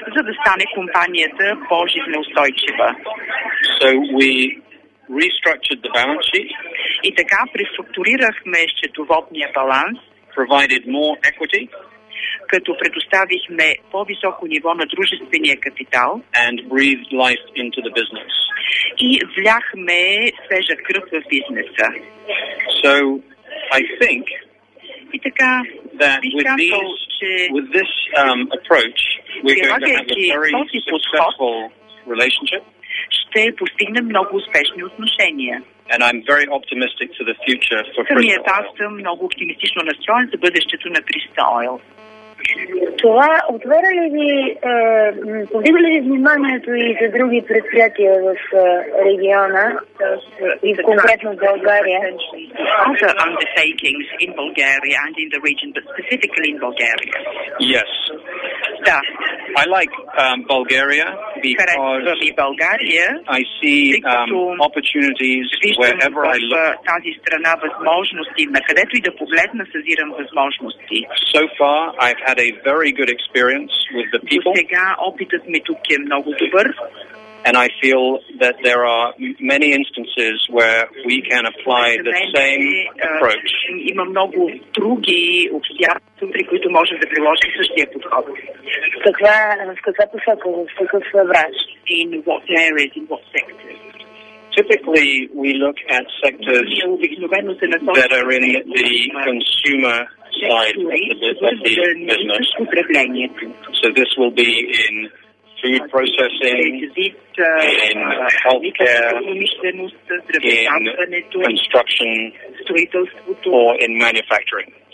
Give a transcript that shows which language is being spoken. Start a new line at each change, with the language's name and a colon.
Bulgarian: За да стане компанията по-жизнеустойчива.
English: So we restructured the balance sheet.
Bulgarian: И така преструктурирахме счетоводния баланс.
English: Provided more equity.
Bulgarian: Като предоставихме по-високо ниво на дружествения капитал.
English: And breathed life into the business.
Bulgarian: И вляхме свежа кръв в бизнеса.
English: So I think
Bulgarian: и така,
English: that with
Bulgarian: казал,
English: with this approach we're going to have a very successful relationship.
Bulgarian: Ще постигнем много успешни отношения.
English: And I'm very optimistic to the future for Crystal Oil.
Bulgarian: Съм много оптимистично настроен за бъдещето на Crystal Oil. Това отваря ли ви, повдига ли ви вниманието и за други предприятия в региона и конкретно в България?
English: Other undertakings in Bulgaria and in the region, but specifically in Bulgaria. Yes.
Bulgarian: Да.
English: I like Bulgaria because Bulgaria, I see opportunities wherever I look.
Bulgarian: Тази страна възможности, на където и да погледна, съзирам възможности.
English: So far I've had a very good experience with the people.
Bulgarian: Досега опитът ми тук е много добър.
English: And I feel that there are many instances where we can apply the same approach.
Bulgarian: Има много други обстоятелства, при които можем да приложим същия подход. В каква посока, в какъв враж?
English: In what areas, in what sectors? Typically, we look at sectors that are in the consumer side of the business. So this will be in food processing, in healthcare, in construction, or in manufacturing.